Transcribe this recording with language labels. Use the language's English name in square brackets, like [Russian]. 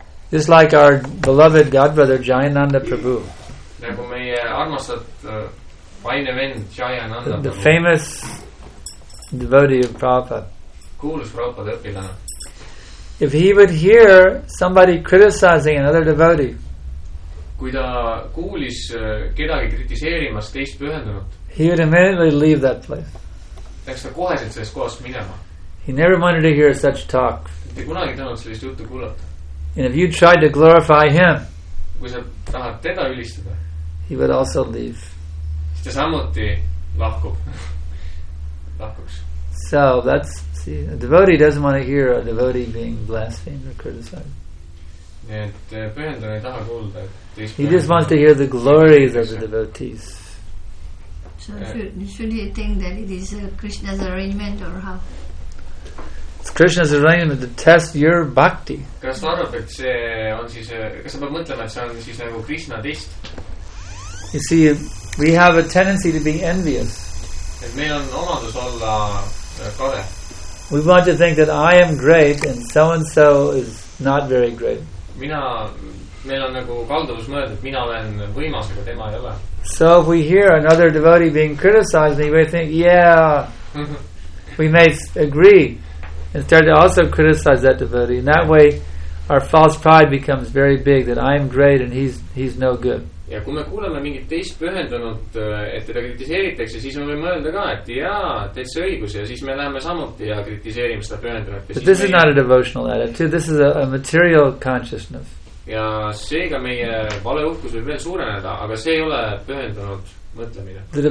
[English] Just like our beloved godbrother Jayananda Prabhu. The famous devotee of Prabhupada. If he would hear somebody criticizing another devotee, [Estonian] kui ta kuulis kedagi kritiseerimas teist pühendunut, [English] he would immediately leave that place. [Estonian] Läks ta koheselt sellest kohast minema. [English] He never wanted to hear such talk. [Estonian] Ta kunagi tahanud sellist juttu kuulata. [English] And if you tried to glorify him, [Estonian] kui sa tahad teda ülistada, [English] he would also leave. [Estonian] Ta samuti lahkub. Lahkuks. [English] So that's, see, a devotee doesn't want to hear a devotee being blasphemed or criticized. He just wants to hear the glories of the devotees. So should he think that it is Krishna's arrangement or how? It's Krishna's arrangement to test your bhakti. You see, we have a tendency to be envious. We want to think that I am great and so and so is not very great. [Estonian] Meil on nagu kalduvus mõelda, et mina olen võimas, aga tema ei ole. [English] So if we hear another devotee being criticized, we think, yeah, we may agree and start to also criticize that devotee. And that way, our false pride becomes very big, that I am great and he's no good. [Estonian] Ja kui me kuuleme mingit teist pühendunut, et teda kritiseeritakse, siis me võime mõelda ka, et jaa, teed see õigus ja siis me läheme samuti ja kritiseerime seda pühendunut. [English] But this is not a devotional attitude, this is a material consciousness. [Estonian] Ja seega meie vale uhkus võib veel suureneda, aga see ei ole pühendunud mõtlemine.